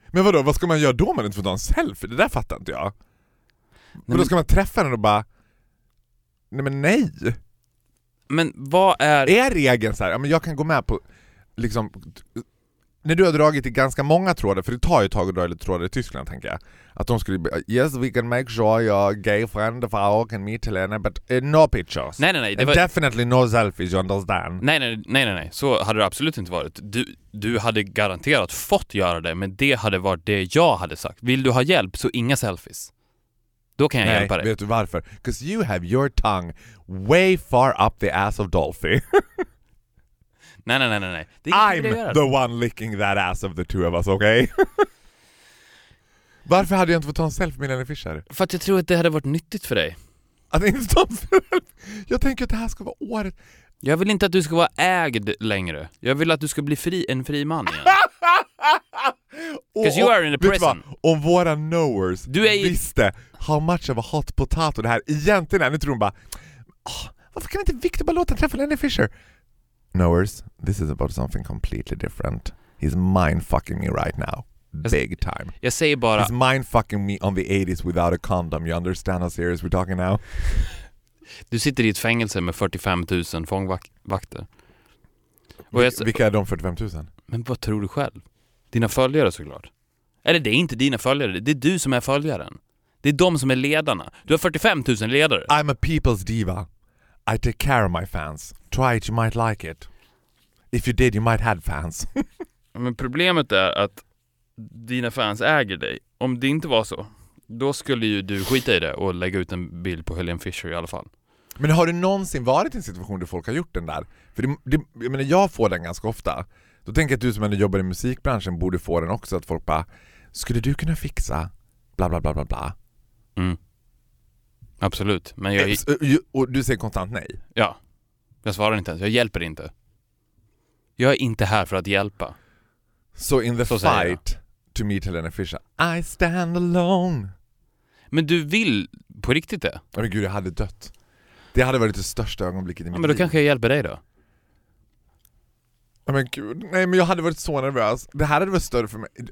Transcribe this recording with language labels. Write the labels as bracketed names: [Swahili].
[Swedish] Men vadå, vad ska man göra då om man inte får ta en selfie? Det där fattar inte jag. Nej, men då ska man träffa den och bara, nej men nej. Men vad är... Är regeln så här, ja, men jag kan gå med på liksom... När du har dragit i ganska många trådar, för det tar ju ett tag att dra lite trådar i Tyskland, tänker jag. Att de skulle, [English] yes, we can make sure your gay friend of our can meet Helena, but no pictures. [Swedish] Nej, nej, nej. Det var... [English] Definitely no selfies, you understand? [Swedish] Nej, nej, nej, nej, nej. Så hade det absolut inte varit. Du hade garanterat fått göra det, men det hade varit det jag hade sagt. Vill du ha hjälp, så inga selfies. Då kan jag hjälpa dig. Nej, vet du varför? [English] Because you have your tongue way far up the ass of Dolphy. [Swedish] Nej, nej, nej, nej. Det är [English] I'm the one licking that ass of the two of us, okay? [Swedish] Varför hade jag inte fått ta en selfie med Helena Fischer? För att jag tror att det hade varit nyttigt för dig. Att inte ta en selfie? Jag tänker att det här ska vara året. Jag vill inte att du ska vara ägd längre. Jag vill att du ska bli fri, en fri man igen. [English] Because you are in a prison. [Swedish] Om våra knowers visste [English] how much of a hot potato [Swedish] det här egentligen är. Nu tror hon bara, varför kan inte Victor bara låta träffa Helena Fischer? [English] Knowers, this is about something completely different. He's mindfucking me right now. Big time. [Swedish] Jag säger bara... [English] He's mindfucking me on the 80s without a condom. You understand how serious we're talking now? [Swedish] Du sitter i ett fängelse med 45 000 fångvakter. Vilka är de 45 000? Men vad tror du själv? Dina följare såklart. Eller det är inte dina följare, det är du som är följaren. Det är de som är ledarna. Du har 45 000 ledare. [English] I'm a people's diva. I take care of my fans. Try it, you might like it. If you did, you might have fans. [Swedish] Men problemet är att dina fans äger dig. Om det inte var så, då skulle ju du skita i det och lägga ut en bild på Helene Fischer i alla fall. Men har du någonsin varit i en situation där folk har gjort den där? För det, jag menar, jag får den ganska ofta. Då tänker jag att du som ändå jobbar i musikbranschen borde få den också. Att folk bara, skulle du kunna fixa bla bla bla bla bla? Mm. Absolut. Men jag... Och du säger konstant nej? Ja. Jag svarar inte ens. Jag hjälper inte. Jag är inte här för att hjälpa. [English] So in the fight to meet Helena Fischer, I stand alone. [Swedish] Men du vill på riktigt det? Oh, men gud, jag hade dött. Det hade varit det största ögonblicket i mitt liv. Men då kanske jag hjälper dig då? Oh, men gud. Nej, men jag hade varit så nervös. Det här hade varit större för mig.